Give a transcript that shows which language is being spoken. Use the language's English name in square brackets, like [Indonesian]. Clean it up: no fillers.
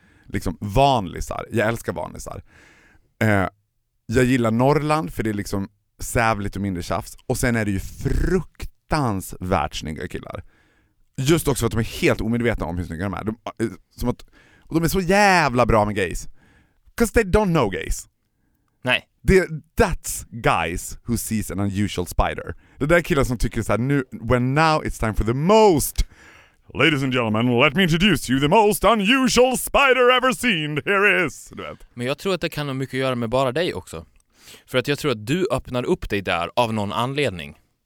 [Swedish] Liksom vanlisar. Jag älskar vanlisar. Jag gillar Norrland för det är liksom sävligt och mindre tjafs. Och sen är det ju fruktansvärt snygga killar. Just också för att de är helt omedvetna om hur snygga de är. De är så jävla bra med gays. [English] Because they don't know gays. [Swedish] Nej. [English] That's guys who sees an unusual spider. [Swedish] Det där killar som tycker så här, nu, [English] when now it's time for the most. Ladies and gentlemen, let me introduce you the most unusual spider ever seen. Here is. [Swedish] Du vet. Men jag tror att det kan ha mycket att göra med bara dig också. För att jag tror att du öppnar upp dig där av någon anledning.